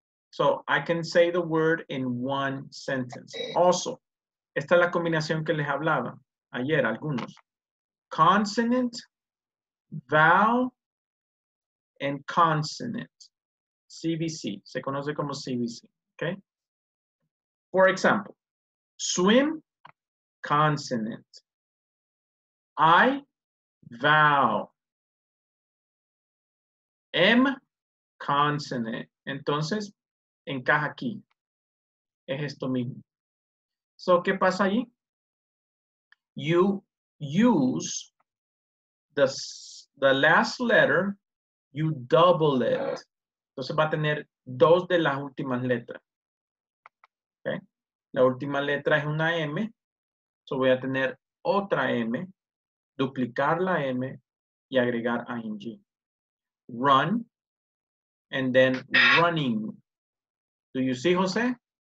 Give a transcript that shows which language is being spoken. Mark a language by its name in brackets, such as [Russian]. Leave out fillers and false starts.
[English] So I can say the word in one sentence. [Spanish] Also, esta es la combinación que les hablaba ayer, algunos. [English] Consonant, vowel, and consonant. CVC, [Spanish] se conoce como CVC, [English] okay? For example, swim, consonant. I, vowel. M, consonant. [Spanish] Entonces, encaja aquí. Es esto mismo. So, ¿qué pasa allí? [English] You use the last letter, you double it. [Spanish] Entonces va a tener dos de las últimas letras. Okay. La última letra es una M. So voy a tener otra M, duplicar la M y agregar ing. [English] Run and then running. Do you see, Jose?